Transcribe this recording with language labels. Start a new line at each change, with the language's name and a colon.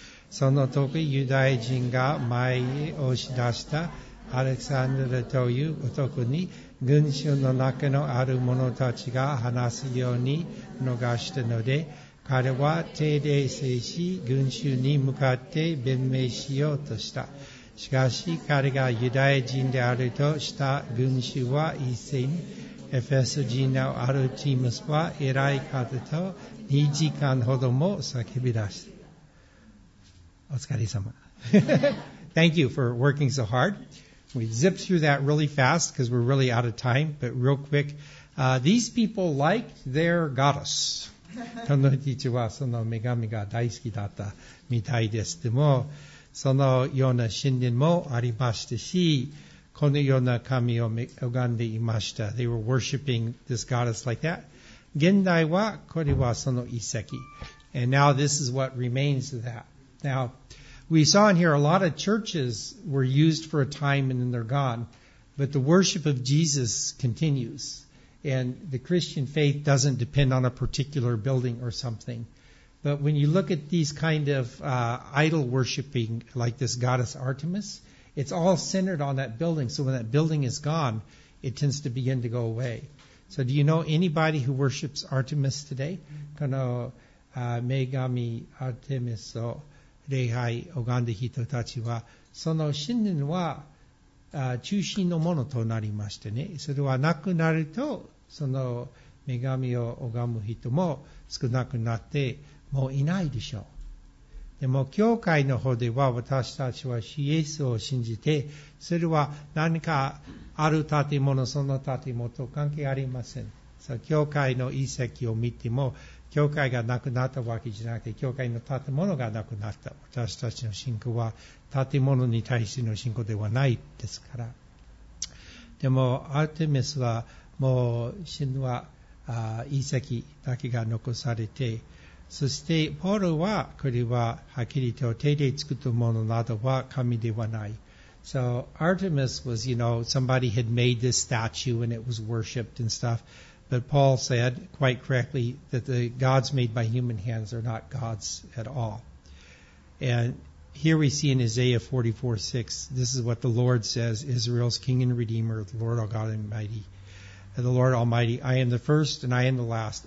Japanese: その時ユダヤ人が前へ押し出したアレクサンドルという男に群衆の中のある者たちが話すように逃したので、彼は手で制し群衆に向かって弁明しようとした。しかし彼がユダヤ人であるとした群衆は一斉にエフェソ人のアルティムスは偉い方と2時間ほども叫び出した。お疲れ様。
English: Thank you for working so hard. We zipped through that really fast because we're really out of time, but real quick. These people like their goddess.
Japanese: この人たちはその女神が大好きだったみたいです。でも、そのような神殿もありましたし、このような神を拝んでいました。
English: They were worshiping this goddess like that.
Japanese: 現代はこれはその遺跡。
English: And now this is what remains of that. Now, we saw in here a lot of churches were used for a time and then they're gone. But the worship of Jesus continues. And the Christian faith doesn't depend on a particular building or something. But when you look at these kind of idol worshiping like this goddess Artemis, it's all centered on that building. So when that building is gone, it tends to begin to go away. So do you know anybody who worships Artemis today?
Japanese: この女神アルテミスを礼拝拝んだ人たちは、その神殿は中心のものとなりましてね。それはなくなると、その女神を拝む人も少なくなって、もういないでしょう。でも教会の方では私たちはイエスを信じて、それは何かある建物、その建物と関係ありません。さあ教会の遺跡を見ても、教会がなくなったわけじゃなくて、教会の建物がなくなった。私たちの信仰は建物に対しての信仰ではないですから。でもアルテミスはもう神話、遺跡だけが残されて、そして、ポールは、これは、はっきりと手で作ったものなどは神ではない。
English: So, Artemis was, you know, somebody had made this statue and it was worshipped and stuff. But Paul said, quite correctly, that the gods made by human hands are not gods at all. And here we see in Isaiah 44:6, this is what the Lord says, Israel's King and Redeemer, the Lord our God Almighty, and the Lord Almighty, I am the first and I am the last.